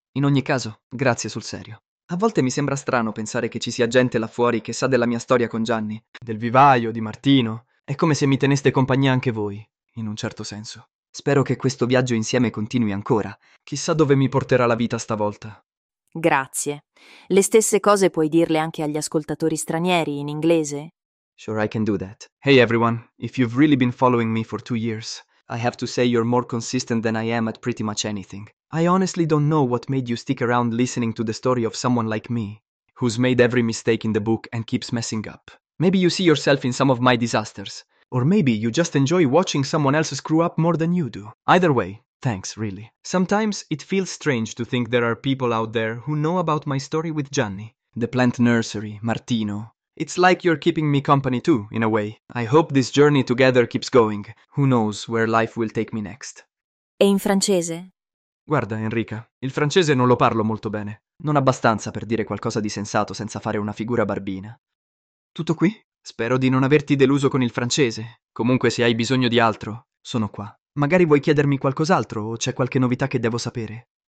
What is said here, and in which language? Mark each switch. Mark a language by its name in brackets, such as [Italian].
[Italian] In ogni caso, grazie sul serio. A volte mi sembra strano pensare che ci sia gente là fuori che sa della mia storia con Gianni, del vivaio, di Martino. È come se mi teneste compagnia anche voi, in un certo senso. Spero che questo viaggio insieme continui ancora. Chissà dove mi porterà la vita stavolta. Grazie. Le stesse cose puoi dirle anche agli ascoltatori stranieri in inglese? [English] Sure, I can do that. Hey everyone, if you've really been following me for 2 years, I have to say you're more consistent than I am at pretty much anything. I honestly don't know what made you stick around listening to the story of someone like me, who's made every mistake in the book and keeps messing up. Maybe you see yourself in some of my disasters, or maybe you just enjoy watching someone else screw up more than you do. Either way, thanks, really. Sometimes it feels strange to think there are people out there who know about my story with Gianni, the plant nursery, Martino. It's like you're keeping me company too, in a way. I hope this journey together keeps going. Who knows where life will take me next? [Italian] E in francese? Guarda, Enrica, il francese non lo parlo molto bene. Non abbastanza per dire qualcosa di sensato senza fare una figura barbina. Tutto qui? Spero di non averti deluso con il francese. Comunque, se hai bisogno di altro, sono qua. Magari vuoi chiedermi qualcos'altro o c'è qualche novità che devo sapere?